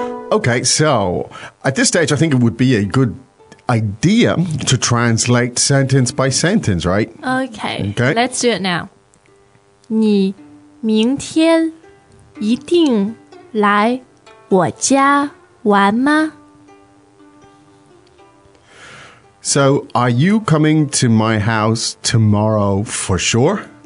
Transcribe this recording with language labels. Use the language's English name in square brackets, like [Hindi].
[English] Okay, so at this stage, I think it would be a good idea to translate sentence by sentence, right? Okay. Let's do it now. [Chinese] 你明天一定来 我家玩吗? [English] So, are you coming to my house tomorrow for sure?